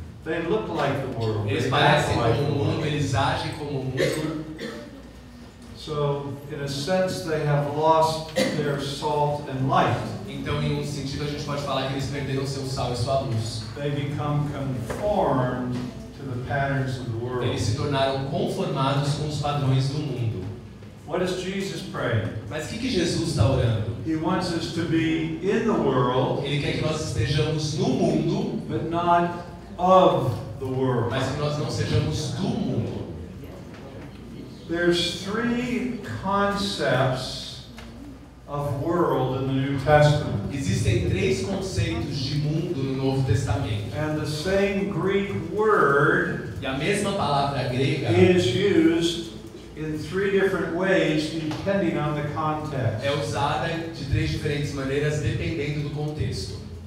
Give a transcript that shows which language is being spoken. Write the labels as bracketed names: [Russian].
[English] They look like the world. [Portuguese] Eles parecem como o mundo, eles agem como o mundo. [English] So, in a sense, they have lost their salt and light. [Portuguese] Então, em um sentido, a gente pode falar que eles perderam seu sal e sua luz. [English] They become conformed to the patterns of the world. [Portuguese] Eles se tornaram conformados com os padrões do mundo. [English] What is Jesus praying? [Portuguese] Mas que Jesus está orando? [English] He wants us to be in the world. [Portuguese] Ele quer que nós estejamos no mundo, [English] but not of the world. [Portuguese] Mas que nós não sejamos do mundo. [English] There's three concepts of world in the New Testament. [Portuguese] Existem três conceitos de mundo no Novo Testamento. [English] And the same Greek word, [Portuguese] e a mesma palavra grega, [English] is used in three different ways depending on the context. [Portuguese] É usada de três diferentes maneiras dependendo do contexto.